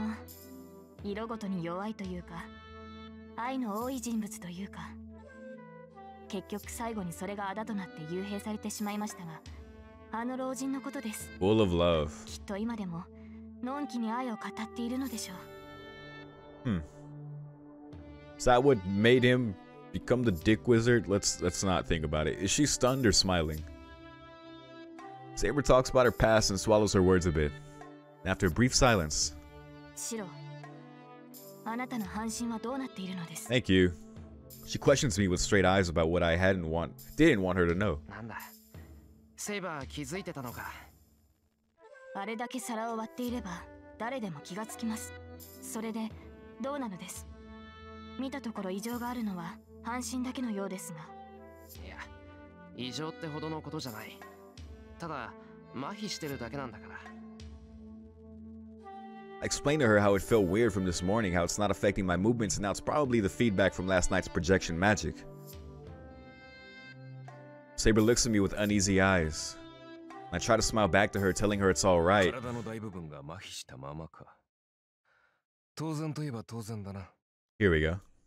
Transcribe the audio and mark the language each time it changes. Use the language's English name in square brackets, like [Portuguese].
[Japanese] 尊敬していたし、親愛も感じていましたが、同時に荒ゆる厄介事のもとでした。彼のいたずら好きさえなければ、もう少しまともな時代になったでしょう。なんかすごいな、その意見。まるで希代の悪人みたいじゃないか。悪人でした。加えてその色ごとに弱いというか。愛の多い人物というか、結局最後にそれがあだとなって幽閉されてしまいましたが、あの老人のことです。 [English] Full of love。 [Japanese] きっと今でも、のんきに愛を語っているのでしょう。 [English] Is that what made him become the dick wizard? Let's not think about it. Is she stunned or smiling? Saber talks about her past and swallows her words a bit. After a brief silence. Shirou. Thank you. She questions me with straight eyes about what I hadn't want, didn't want her to know. [Japanese] なんだ。セイバー気づいてたのか。あれだけ皿を割っていれば誰でも気がつきます。それでどうなのです。見たところ異常があるのは半身だけのようですが。いや、異常ってほどのことじゃない。ただ麻痺してるだけなんだから。 [English] I explained to her how it felt weird from this morning, how it's not affecting my movements, and now it's probably the feedback from last night's projection magic. Saber looks at me with uneasy eyes. I try to smile back to her, telling her it's all right. Here we go.